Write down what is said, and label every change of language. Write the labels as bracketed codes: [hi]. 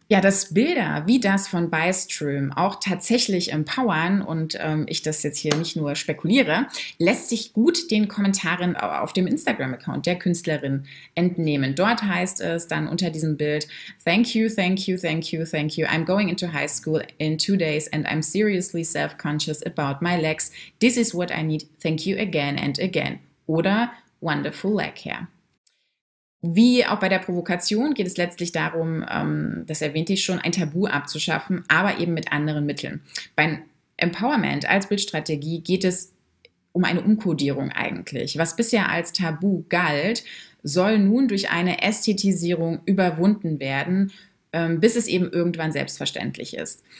[de] Ja, dass Bilder wie das von Beiström auch tatsächlich empowern und ich das jetzt hier nicht nur spekuliere, lässt sich gut den Kommentaren auf dem Instagram-Account der Künstlerin entnehmen. Dort heißt es dann unter diesem Bild: [en] "Thank you, thank you, thank you, thank you. I'm going into high school in 2 days and I'm seriously self-conscious about my legs. This is what I need. Thank you again and again." Oder "Wonderful leg hair." [de] Wie auch bei der Provokation geht es letztlich darum, das erwähnte ich schon, ein Tabu abzuschaffen, aber eben mit anderen Mitteln. Beim Empowerment als Bildstrategie geht es um eine Umkodierung eigentlich. Was bisher als Tabu galt, soll nun durch eine Ästhetisierung überwunden werden, bis es eben irgendwann selbstverständlich ist.